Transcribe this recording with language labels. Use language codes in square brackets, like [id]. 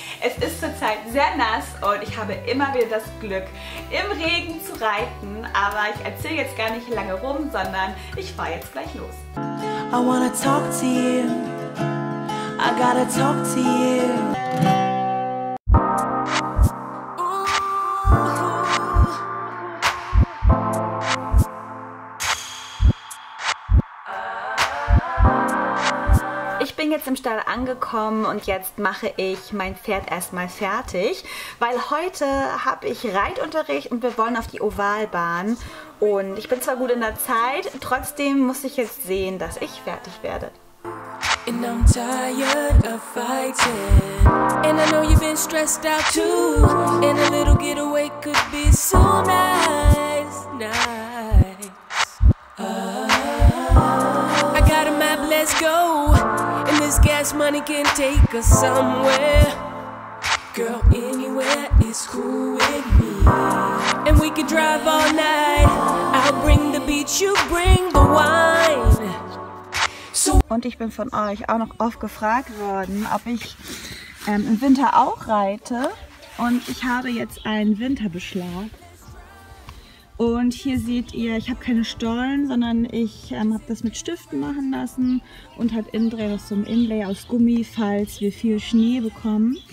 [de] Es ist zurzeit sehr nass und ich habe immer wieder das Glück, im Regen zu reiten. Aber ich erzähle jetzt gar nicht lange rum, sondern ich fahre jetzt gleich los. [en] I wanna talk to you. I gotta talk to you. [de] Ich bin jetzt im Stall angekommen und jetzt mache ich mein Pferd erstmal fertig, weil heute habe ich Reitunterricht und wir wollen auf die Ovalbahn und ich bin zwar gut in der Zeit, trotzdem muss ich jetzt sehen, dass ich fertig werde. [en] And I'm tired of fighting. And I know you've been stressed out too. And a little getaway could be so nice. Nice. I got a map, let's go. This gas money can take us somewhere. Girl, anywhere is cool with me. And we can drive all night. I'll bring the beach, you bring the wine. So. [de] Und ich bin von euch auch noch oft gefragt worden, ob ich im Winter auch reite. Und ich habe jetzt einen Winterbeschlag. Und hier seht ihr, ich habe keine Stollen, sondern ich habe das mit Stiften machen lassen und habe innen drin noch so ein Inlay aus Gummi, falls wir viel Schnee bekommen.